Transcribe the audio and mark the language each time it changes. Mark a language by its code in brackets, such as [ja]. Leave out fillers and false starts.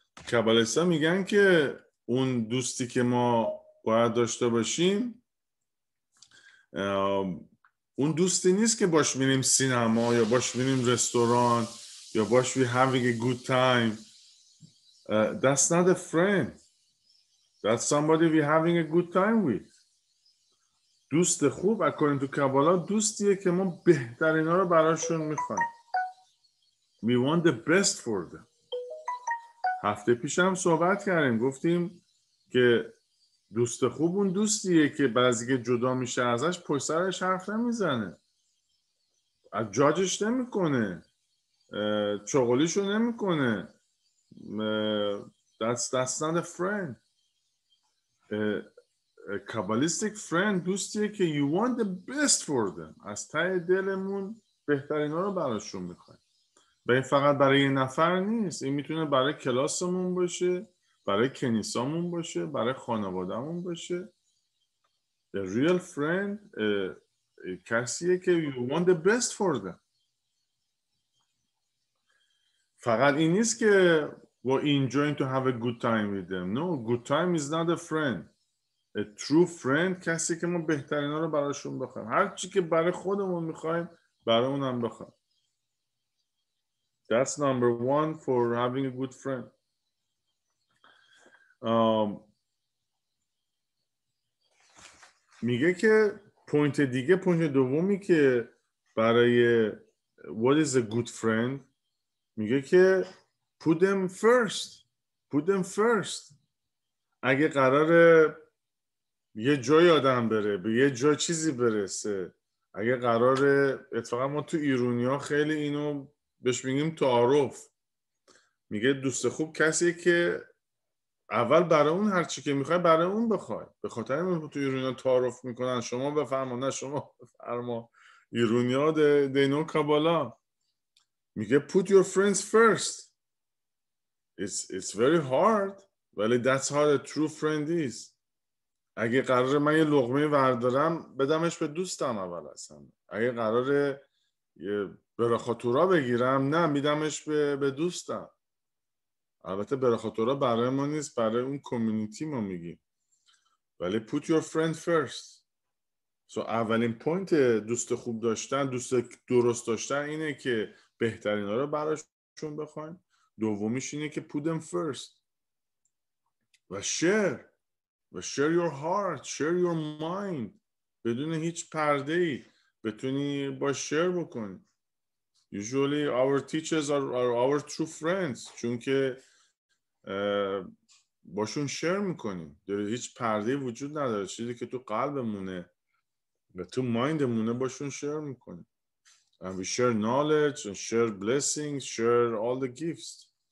[fa] کابالیسی ها میگن که اون دوستی که ما باید داشته باشیم اون دوستی نیست که باش میریم سینما یا باش میریم رستوران یا باش [en] we having a good time. That's not a friend. That's somebody we're having a good time with. [fa] دوست خوب [en] according to Kabbalah [fa] دوستیه که ما بهترین ها رو براشون میخوایم. [en] We want the best for them. [fa] هفته پیش هم صحبت کردیم، گفتیم که دوست خوب اون دوستیه که بعضی که جدا میشه ازش پشت سرش حرف نمیزنه، از جاجش نمی کنه، چغلیشو نمی کنه. [en] That's not a friend. A Kabbalistic friend [fa] دوستیه که [en] you want the best for them. [fa] از تای دلمون بهترین ها رو براشون میخواییم. به این فقط برای یه نفر نیست، این میتونه برای کلاسمون باشه، برای کنیسامون باشه، برای خانوادمون باشه. [en] A real friend [fa] کسیه که [en] you want the best for them. [fa] فقط این نیست که [en] we're enjoying to have a good time with them. No, good time is not a friend. A true friend [fa] کسی که ما بهترین ها رو براشون بخوایم. هر چی که برای خودمون میخوایم برای اونم بخوایم. [en] That's number one for having a good friend. [fa] میگه که پوینت دیگه، پوینت دومی که برای [en] what is a good friend، [fa] میگه که [en] Put them first. [fa] اگه قراره یه جای آدم بره، به یه جای چیزی برسه، اگه قراره، اتفاقا ما تو ایرونی ها خیلی اینو بهش میگیم تعارف. میگه دوست خوب کسیه که اول برای اون هرچی که میخوای برای اون بخوای. به خاطر این تو ایرونی ها تعارف میکنن، شما بفرما، نه شما بفرما، ایرونی ها دینو کابالا. میگه [en] put your friends first. It's very hard, [fa] ولی [en] that's how a true friend is. [fa] اگه قراره من یه لقمه وردارم بدمش به دوستم اول اصلا. اگه قراره یه برخاتورا بگیرم نه، میدمش به دوستم. البته برخاتورا برای ما نیست، برای اون کمیونیتی ما میگیم. ولی [en] put your friend first. [fa] So اولین پوینت دوست خوب داشتن، دوست درست داشتن اینه که بهترین ها رو براشون بخواییم. دومیش اینه که [en] put them first [fa] و [en] share your heart, share your mind. [fa] بدون هیچ پرده ای بتونی با شیر بکنی. [en] Usually our teachers are our true friends [fa] چون که باشون شیر میکنیم. داره هیچ پرده ای وجود نداره، چیزی که تو قلبمونه و تو مایندمونه باشون شیر میکنیم. [en] And we share knowledge and share blessings, share all the gifts.